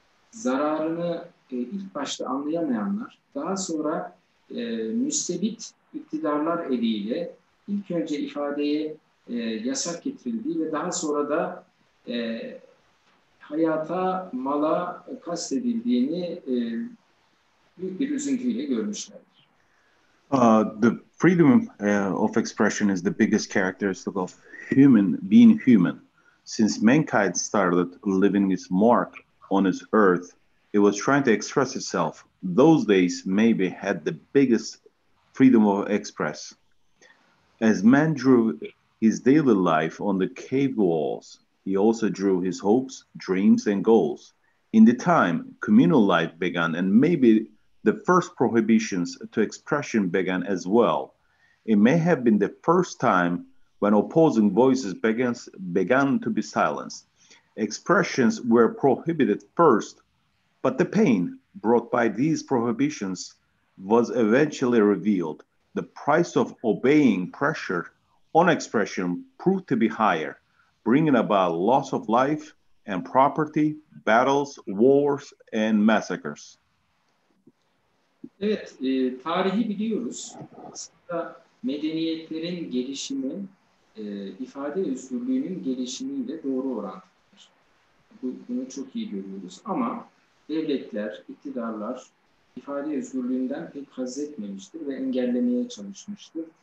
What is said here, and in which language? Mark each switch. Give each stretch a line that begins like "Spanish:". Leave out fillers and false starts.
Turkish: zararını ilk başta anlayamayanlar daha sonra müstebit iktidarlar eliyle ilk önce ifadeye yasak getirildiği ve daha sonra da hayata, mala kastedildiğini büyük bir üzüntüyle görmüşlerdir.
English: The freedom of expression is the biggest characteristic of human being human. Since mankind started living its mark on its earth, it was trying to express itself. Those days maybe had the biggest freedom of express. As man drew his daily life on the cave walls, he also drew his hopes, dreams, and goals. In the time, communal life began, and maybe the first prohibitions to expression began as well. It may have been the first time when opposing voices began to be silenced. Expressions were prohibited first, but the pain brought by these prohibitions was eventually revealed. The price of obeying pressure on expression proved to be higher, bringing about loss of life and property, battles, wars, and massacres.
Turkish: Evet, tarihi biliyoruz. Aslında medeniyetlerin gelişimi, ifade özgürlüğünün gelişimiyle doğru orantılıdır. Bunu çok iyi görüyoruz. Ama devletler, iktidarlar ifade özgürlüğünden pek haz etmemiştir ve engellemeye çalışmıştır.